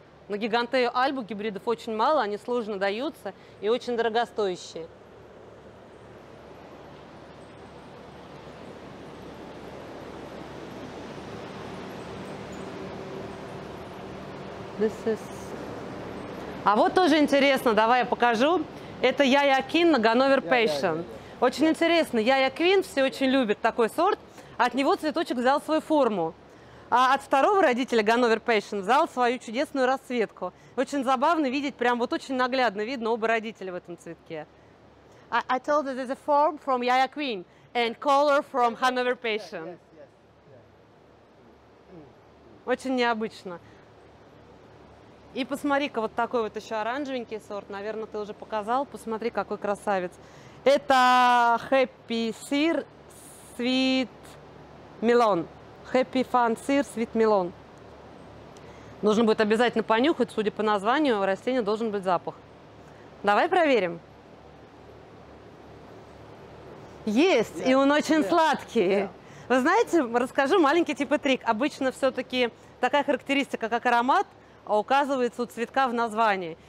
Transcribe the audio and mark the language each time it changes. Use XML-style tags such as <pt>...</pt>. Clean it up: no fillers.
<ru>На гигантею Альбу гибридов очень мало, они сложно даются и очень дорогостоящие. А вот тоже интересно, давай я покажу. Это Yaya Queen на Ganover Passion. Очень интересно, Yaya Queen все очень любят такой сорт. От него цветочек взял свою форму. А от второго родителя Ganover Passion взял свою чудесную расцветку. Очень забавно видеть, прям вот очень наглядно видно оба родителя в этом цветке.</ru> <en>I told you there's a form from Yaya Queen and color from Ganover Passion.</en> <ru>Очень необычно. И посмотри-ка, вот такой вот еще оранжевенький сорт. Наверное, ты уже показал. Посмотри, какой красавец. Это Happy Sir Sweet Melon. Happy Fun Sir Sweet Melon. Нужно будет обязательно понюхать. Судя по названию, у растения должен быть запах. Давай проверим. Есть! Yeah. И он очень сладкий. Yeah. Вы знаете, расскажу маленький типа трик. Обычно все-таки такая характеристика, как аромат, указывается у цветка в названии.</ru>